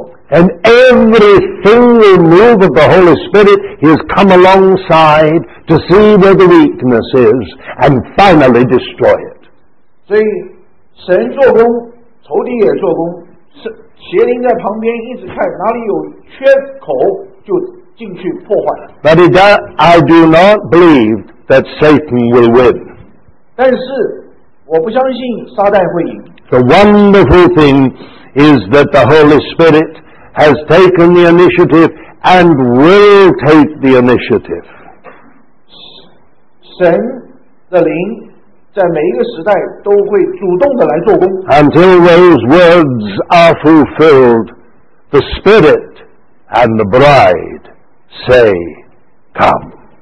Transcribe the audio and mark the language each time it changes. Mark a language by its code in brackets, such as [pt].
[en] And everything we move of the Holy Spirit, He has come alongside to see where the weakness is and finally destroy it. [zh] 所以神做工, 邪灵在旁边一直看哪里有缺口就进去破坏。 [en] But I do not believe that Satan will win. [zh] 但是我不相信撒旦会赢。 [en] The wonderful thing is that the Holy Spirit has taken the initiative and will take the initiative. [zh] 神的灵 [en] until those words are fulfilled, the Spirit and the Bride say, Come.